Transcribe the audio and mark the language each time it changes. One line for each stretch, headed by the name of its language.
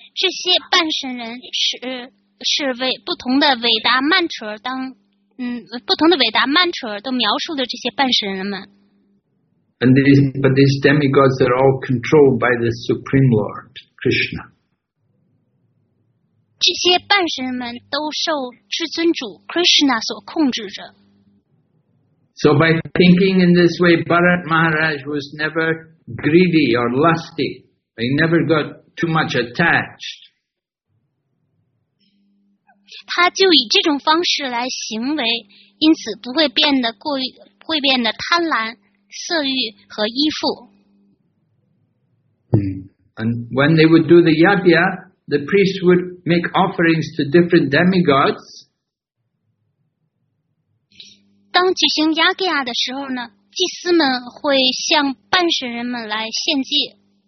Chinese: 这些半神人是为不同的伟达曼彻尔当，不同的伟达曼彻尔都描述了这些半神人们。
English: But these demigods are all controlled by the Supreme Lord Krishna.
Chinese: 这些半神人们都受至尊主 Krishna 所控制着。
English: So by thinking in this way, Bharat Maharaj was never greedy or lusty. He never got. Too much attached.
Chinese: 他就以这种方式来行为，因此不会变得过于，会变得贪婪、色欲和依附。
English: And when they would do the yajna, the priests would make offerings to different demigods.
Chinese: 当举行 yajna 的时候呢，祭司们会向半神人们来献祭。